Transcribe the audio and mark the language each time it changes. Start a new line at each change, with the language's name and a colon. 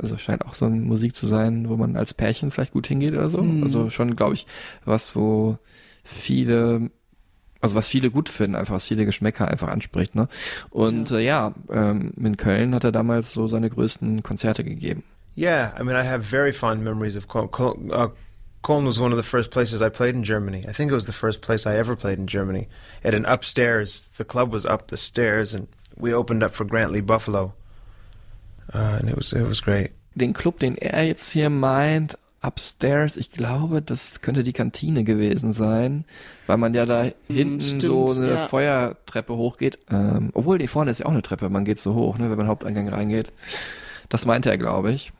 German: Also scheint auch so eine Musik zu sein, wo man als Pärchen vielleicht gut hingeht oder so. Hm. Also schon, glaube ich, was viele gut finden, einfach was viele Geschmäcker einfach anspricht, ne? Und in Köln hat er damals so seine größten Konzerte gegeben.
English: Yeah, I mean, I have very fond memories of Köln. Köln was one of the first places I played in Germany. I think it was the first place I ever played in Germany. At an upstairs, the club was up the stairs, and we opened up for Grant Lee Buffalo. And it was great.
German: Den Club, den er jetzt hier meint, upstairs, ich glaube, das könnte die Kantine gewesen sein, weil man ja da hinten Feuertreppe hochgeht. Obwohl, nee, vorne ist ja auch eine Treppe, man geht so hoch, ne, wenn man Haupteingang reingeht. Das meinte er, glaube ich.